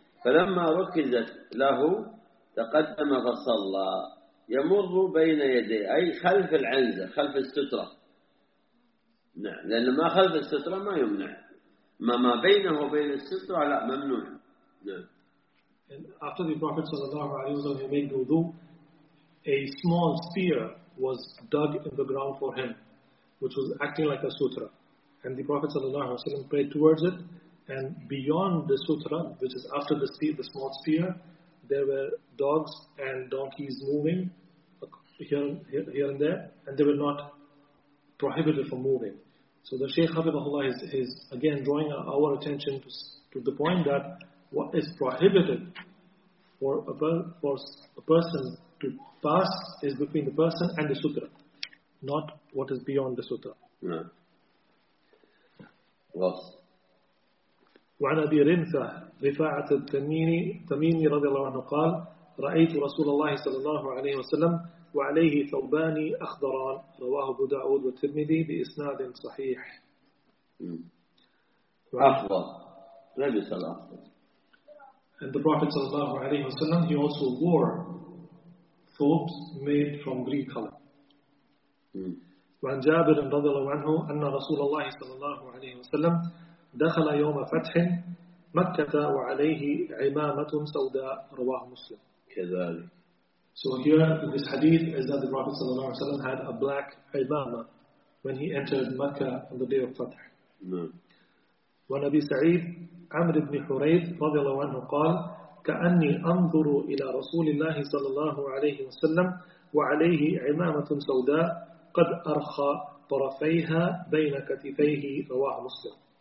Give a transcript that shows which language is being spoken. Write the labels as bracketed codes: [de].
[ar] فلما ركزت له تقدم فصلى يمر بين يديه أي خلف العنزة خلف السترة. نعم لأن ما خلف السترة ما يمنع, ما بينه وبين السترة لا ممنوع. نعم. [en] And after the Prophet [ar] صلى الله عليه وسلم [en] he made wudu, a small spear was dug in the ground for him, which was acting like a sutra. And the Prophet [ar] صلى الله عليه وسلم [en] prayed towards it. And beyond the sutra, which is after the spear, the small spear, there were dogs and donkeys moving here and there, and they were not prohibited from moving. So the Shaykh Hafidhullah is again drawing our attention to the point that what is prohibited for a person to pass is between the person and the sutra, not what is beyond the sutra. Yes. [ar] وعن أبي رمثة رفاعة التميمي رضي الله عنه قال رأيت رسول الله صلى الله عليه وسلم وعليه ثوبان أخضران رواه أبو داود والترمذي بإسناد صحيح. أخضر لبس الأخضر. [en] And the Prophet [ar] صلى الله عليه وسلم [en] he also wore thobes made from green color. [ar] وعن جابر رضي الله عنه أن رسول الله صلى الله عليه وسلم دخل يوم فتح مكة وعليه عمامة سوداء رواه مسلم. كذلك. [en] So here in this hadith is that the Prophet [ar] صلى الله عليه وسلم [en] had a black عمامة when he entered Mecca on the day of فتح. [ar] ونبي سعيد عمرو بن حريث رضي الله عنه قال كأني أنظر إلى رسول الله صلى الله عليه وسلم وعليه عمامة سوداء قد أرخى طرفيها بين كتفيه رواه مسلم.